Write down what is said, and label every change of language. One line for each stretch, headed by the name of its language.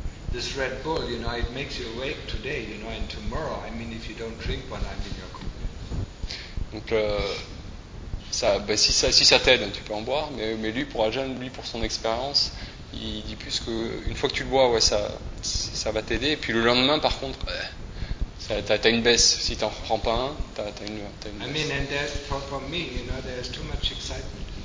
English: This Red Bull, you know, it makes you awake today, you know, and tomorrow. I mean, if you don't drink one, I mean, you're complete.
French: Donc, si ça t'aide, tu peux en boire. Mais lui, pour son expérience, il dit plus qu'une fois que tu le vois, ouais, ça va t'aider. Et puis le lendemain, par contre, t'as une baisse. Si t'en prends pas un, t'as une baisse.
English: I mean, and that's for me, you know, there's too much excitement.